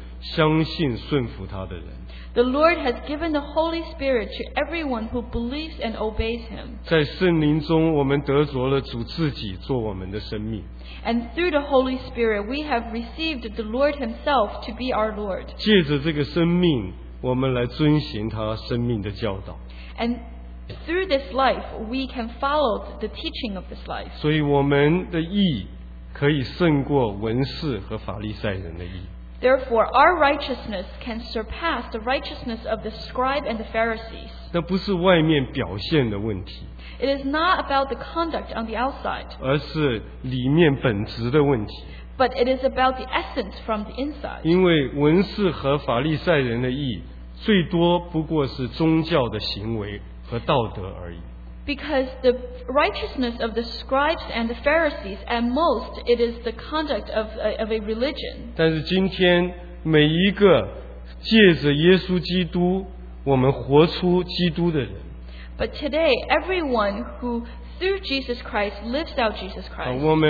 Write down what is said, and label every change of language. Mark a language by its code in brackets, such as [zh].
[zh] 主把圣灵赐给凡事相信顺服他的人 [en] The Lord has given the Holy Spirit to everyone who believes and obeys Him [zh] 在圣灵中我们得着了主自己做我们的生命 [en] And through the Holy Spirit, we have received the Lord Himself to be our Lord [zh] 借着这个生命 我们来遵循他生命的教导 [en] And through this life We can follow the teaching of this life [zh] 所以我们的义可以胜过文士和法利赛人的义 [en] Therefore our righteousness Can surpass the righteousness Of the scribe and the Pharisees [zh] 那不是外面表现的问题 [en] It is not about the conduct on the outside [zh] 而是里面本质的问题 [en] But it is about the essence from the inside [zh] 因为文士和法利赛人的义 最多不过是宗教的行为和道德而已 [en] Because the righteousness of the scribes and the Pharisees At most, it is the conduct of a religion [zh] 但是今天每一个借着耶稣基督我们活出基督的人 [en] But today, everyone who through Jesus Christ lives out Jesus Christ